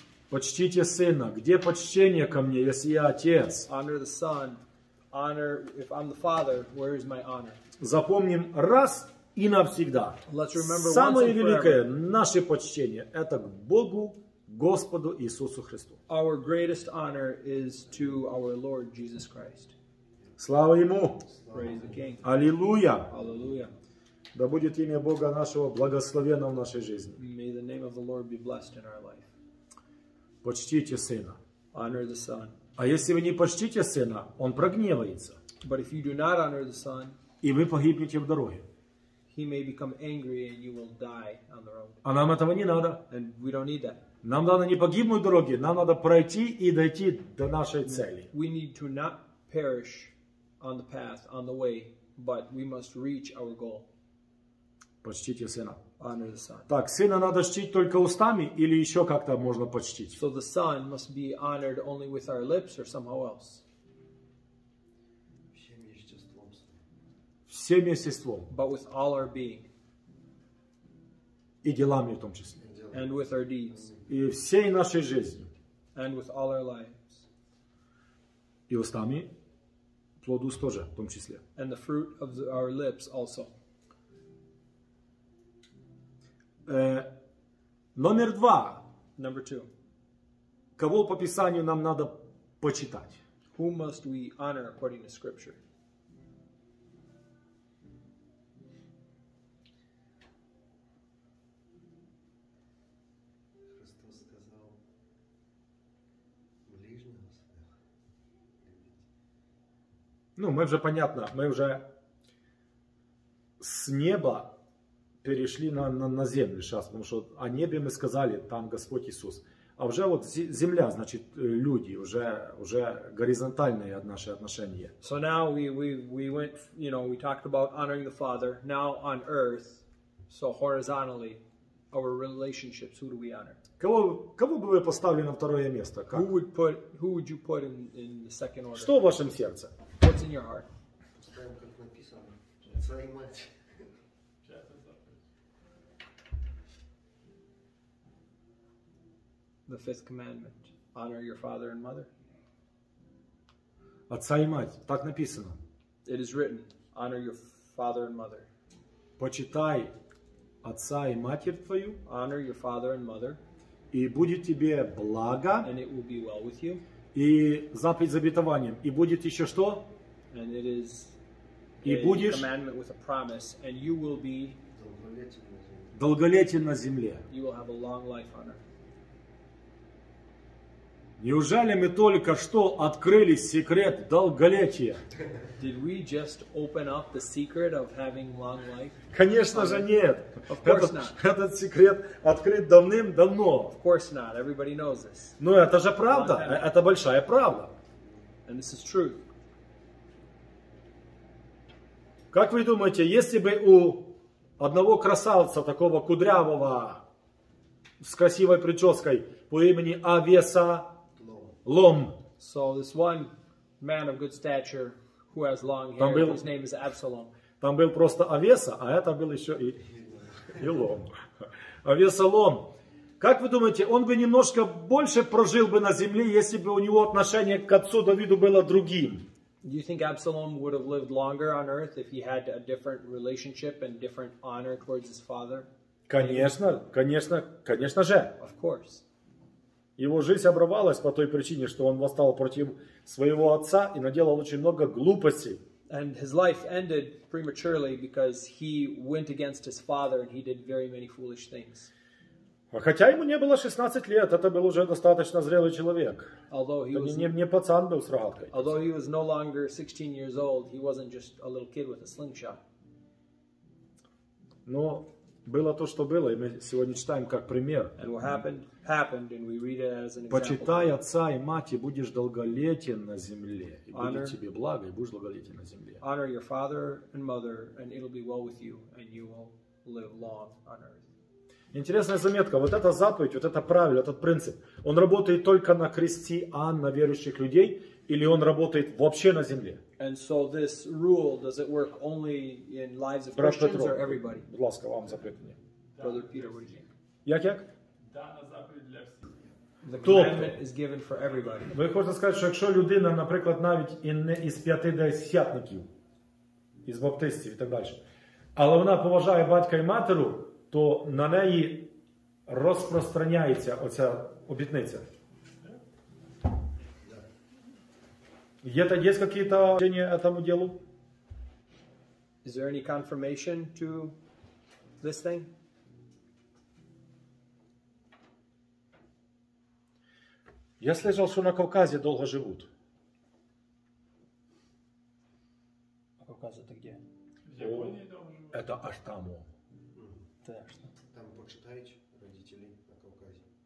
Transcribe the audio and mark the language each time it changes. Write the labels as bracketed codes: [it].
[ru] Почтите сына. Где почтение ко мне, если я отец? [en] Honor the son. Honor, if I'm the father, where is my honor? [ru] Запомним раз и навсегда. Самое великое наше почтение это к Богу, Господу Иисусу Христу. [en] Our greatest honor is to our Lord Jesus Christ. [ru] Слава Ему! [en] Praise the King. [ru] Аллилуйя! Аллилуйя! Да будет имя Бога нашего благословенно в нашей жизни. [en] May the name of the Lord be blessed in our life. [ru] Почтите Сына. [en] Honor the Son. [ru] А если вы не почтите Сына, Он прогневается. [en] But if you do not honor the Son, [ru] и вы погибнете в дороге. [en] He may become angry and you will die on the road. [ru] А нам этого не надо. [en] And we don't need that. [ru] Нам надо не погибнуть дороги, нам надо пройти и дойти до нашей цели. [en] We need to not perish on the path, on the way, but we must reach our goal. [ru] Почтите сына. [en] Honor the son. [ru] Так, сына надо чтить только устами или еще как-то можно почтить? [en] So the son must be honored only with our lips or somehow else. [ru] Всем естеством. [en] But with all our being. [ru] И делами в том числе. [en] And with our deeds. [ru] И всей нашей жизнью. [en] And with all our lives. [ru] И устами. Плодус тоже в том числе. [en] And the fruit of our lips also. [ru] Номер два. [en] Number two. [ru] Кого по Писанию нам надо почитать? [en] Who must we honor according to Scripture? [ru] Ну, мы уже понятно, мы уже с неба перешли на землю сейчас, потому что о небе мы сказали, там Господь Иисус. А уже вот земля, значит, люди, уже горизонтальное наше отношение. [en] So now we went, you know, we talked about honoring the Father. Now on earth, so horizontally, our relationships, who do we honor? [ru] Кого бы вы поставили на второе место? Как? [en] Who would you put in the second order? [ru] Что в вашем сердце? [en] What's in your heart? [ru] Поставим, как написано. Твоей мать. [en] The fifth commandment. Honor your father and mother. [ru] Отца и мать. Так написано. [en] It is written. Honor your father and mother. [ru] Почитай отца и матерь твою. [en] Honor your father and mother. [ru] И будет тебе благо. [en] And it will be well with you. [ru] И заповедь с обетованием. И будет еще что? [en] And it is [ru] и [en] a [ru] будешь [en] commandment with a promise. And you will be [ru] долголетен на земле. [en] You will have a long life on earth. [ru] Неужели мы только что открыли секрет долголетия? [en] Did we just open up the secret of having long life? [ru] Конечно же нет. [en] Of course not. [ru] Этот секрет открыт давным-давно. [en] Of course not. Everybody knows this. [ru] Но это же правда. Это большая правда. [en] And this is truth. [ru] Как вы думаете, если бы у одного красавца, такого кудрявого, с красивой прической, по имени Авеса, Лом. [en] So this one man of good stature who has long hair, [ru] был, [en] his name is Absalom. [ru] Там был просто Авеса, а это был еще и Лом. Авесалом. Как вы думаете, он бы немножко больше прожил бы на земле, если бы у него отношение к отцу Давиду было другим? [en] Do you think Absalom would have lived longer on earth if he had a different relationship and different honor towards his father? [ru] Конечно, конечно, конечно же. [en] Of course. [ru] Его жизнь обрывалась по той причине, что он восстал против своего отца и наделал очень много глупостей. [en] And his life ended prematurely because he went against his father and he did very many foolish things. [ru] А хотя ему не было 16 лет, это был уже достаточно зрелый человек. [en] Although he was [ru] не пацан был с рогаткой. [en] Although he was no longer 16 years old, he wasn't just a little kid with a slingshot. [ru] Но было то, что было, и мы сегодня читаем как пример. [en] And what happened? Happened, and we read it as an example. [ru] Почитай отца и мать, и будешь долголетен на земле. И honor, будет тебе благо, и будешь долголетен на земле. [en] Honor your father and mother, and it'll be well with you, and you will live long on earth. [ru] Интересная заметка. Вот эта заповедь, вот это правило, этот принцип, он работает только на христиан, на верующих людей, или он работает вообще на земле? [en] And so this rule, does it work only in lives of Christians [uk] Петро, [en] or everybody? [uk] Ласка, вам запрет мне. [en] Brother Peter, what do you think? [uk] Як? [en] The commandment is given for everybody. [uk] Ви можете сказати, що якщо людина, наприклад, навіть і не із п'ятидесятників, із баптистів і так далі, але вона поважає батька і матеру, то на неї розпространяється оця обітниця. Є якісь речення цьому ділу? [en] Is there any confirmation to this thing? [ru] Я слышал, что на Кавказе долго живут. А Кавказ это где? В Японии долго живут. Это аж там. Там почитают родителей на Кавказе.